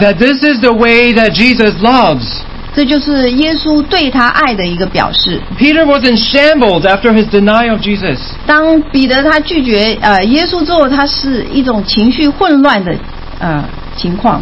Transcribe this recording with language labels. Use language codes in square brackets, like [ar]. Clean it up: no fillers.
[en] That this is the way that Jesus loves. [zh] 这就是耶稣对他爱的一个表示。 [en] Peter was in shambles after his denial of Jesus. [zh] 当彼得他拒绝耶稣之后，他是一种情绪混乱的情况。